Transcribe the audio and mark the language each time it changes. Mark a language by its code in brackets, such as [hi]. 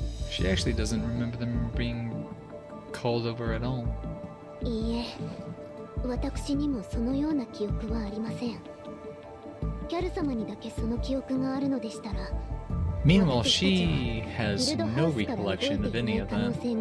[en] She actually doesn't remember them being called over at all. [ja] いいえ、私にもそのような記憶はありません。キャル様にだけその記憶があるのでしたら、 [en] Meanwhile, she has no recollection of any of that.